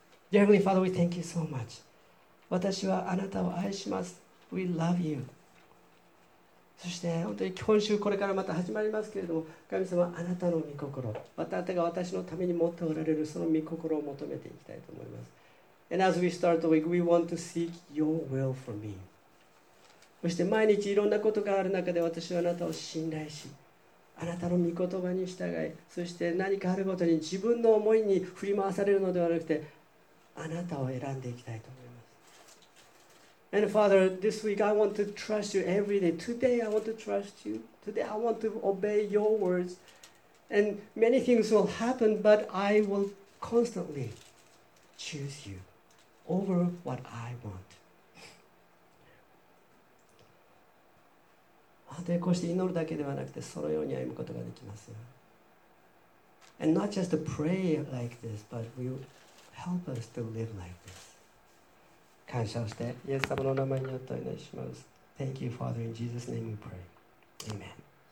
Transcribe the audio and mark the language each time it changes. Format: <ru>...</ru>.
<en>Dear Heavenly Father, we thank you so much.</en> <ja>私はあなたを愛します。</ja> <en>We love you.</en> <ja>そして本当に今週これからまた始まりますけれども、神様あなたの御心、またあなたが私のために持っておられるその御心を求めていきたいと思います。</ja> <en>And as we start the week, we want to seek your will for me.</en> <ja>そして毎日いろんなことがある中で、私はあなたを信頼し、あなたの御言葉に従い、そして何かあるごとに自分の思いに振り回されるのではなくて、あなたを選んでいきたいと思います。</ja> <en>And Father, this week I want to trust you every day. Today I want to trust you. Today I want to obey your words. And many things will happen, but I will constantly choose you over what I want.</en> <ja>本当にこうして祈るだけではなくて、そのように歩むことができますよ。</ja> <en>And not just to pray like this, but will help us to live like this.</en> <ja>感謝をして、イエス様の名前によってお祈りします。</ja> <en>Thank you, Father. In Jesus' name we pray. Amen.</en>